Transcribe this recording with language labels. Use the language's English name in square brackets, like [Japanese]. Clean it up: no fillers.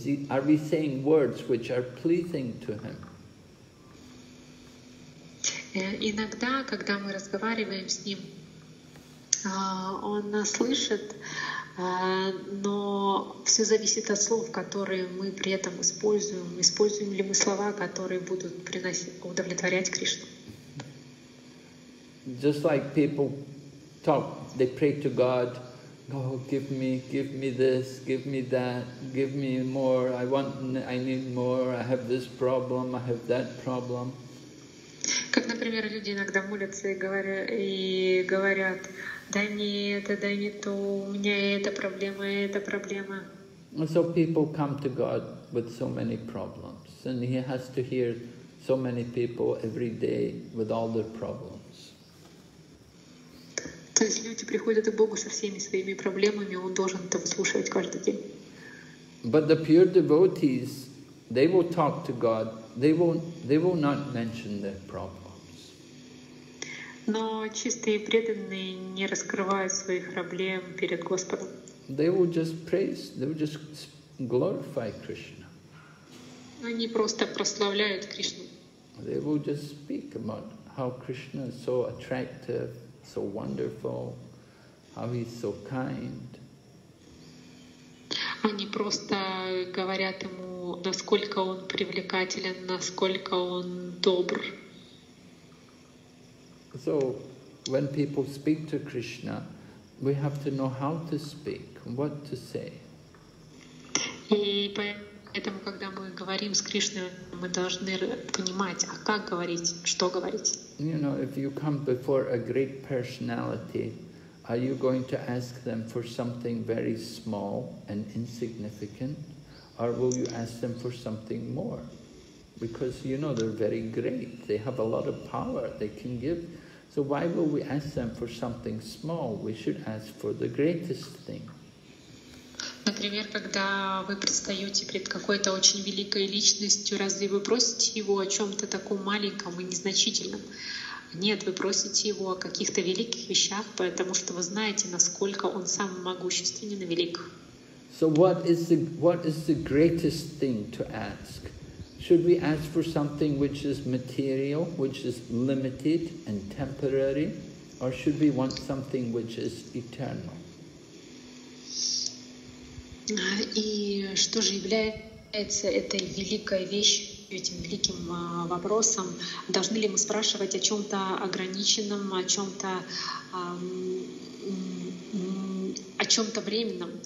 [English] Are we saying words which are pleasing to him? [Russian] Иногда, когда мы разговариваем с ним, он нас слышит, но все зависит от слов, которые мы при этом используем. Используем ли мы слова, которые будут удовлетворять Кришну? [English] Just like people talk, they pray to God, oh, give me this, give me that, give me more, I need more, I have this problem, I have that problem. [Russian] Как, например, люди иногда молятся и говорят, дай мне это, дай мне то, у меня эта проблема, эта проблема. [English] So people come to God with so many problems, and he has to hear so many people every day with all their problems. [Russian] То есть люди приходят к Богу со всеми своими проблемами, он должен это выслушивать каждый день. [English] But the pure devotees, they will talk to God, they will not mention their problems. [Russian] Но чистые преданные не раскрывают своих проблем перед Господом. [English] they will just praise, they will just glorify Krishna. [Russian] Они просто прославляют Кришну. [English] They will just speak about how Krishna is so attractive, so wonderful, how he's so kind. [Russian] Они просто говорят ему, насколько он привлекателен, насколько он добр. [English] So, when people speak to Krishna, we have to know how to speak, what to say. [Russian] И поэтому, когда мы говорим с Кришной, мы должны понимать, а как говорить, что говорить. [English] You know, if you come before a great personality, are you going to ask them for something very small and insignificant, or will you ask them for something more? Because you know they're very great, they have a lot of power, they can give. So why will we ask them for something small? We should ask for the greatest thing. [Russian] Например, когда вы предстаете перед какой-то очень великой личностью, разве вы просите его о чем-то таком маленьком и незначительном? Нет, вы просите его о каких-то великих вещах, потому что вы знаете, насколько он сам могущественен и велик. [English] So what is the greatest thing to ask? Should we ask for something which is material, which is limited and temporary, or should we want something which is eternal? [Russian] И что же является этой великой вещью? Этим великим вопросом, должны ли мы спрашивать о чем-то ограниченном, о чем-то временном?